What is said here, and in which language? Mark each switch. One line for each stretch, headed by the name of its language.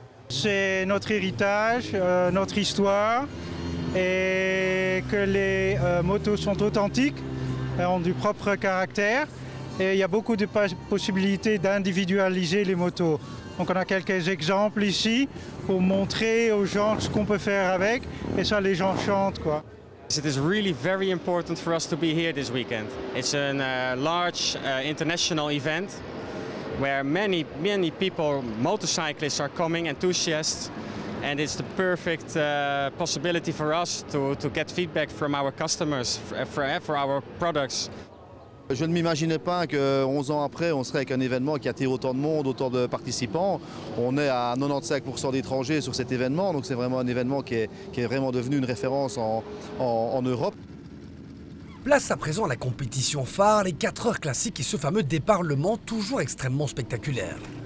French: C'est notre héritage, notre histoire, et que les motos sont authentiques, ont du propre caractère, et il y a beaucoup de possibilités d'individualiser les motos. Donc on a quelques exemples ici pour montrer aux gens ce qu'on peut faire avec et ça les gens chantent quoi.
English: It is really very important for us to be here this weekend. It's a large international event where many many people, motorcyclists are coming, enthusiasts, and it's the perfect possibility for us to get feedback from our customers for our products.
French: Je ne m'imaginais pas que 11 ans après, on serait avec un événement qui attire autant de monde, autant de participants. On est à 95% d'étrangers sur cet événement, donc c'est vraiment un événement qui est vraiment devenu une référence en Europe. Place à présent à la compétition phare, les 4 heures classiques et ce fameux départ Le Mans, toujours extrêmement spectaculaire.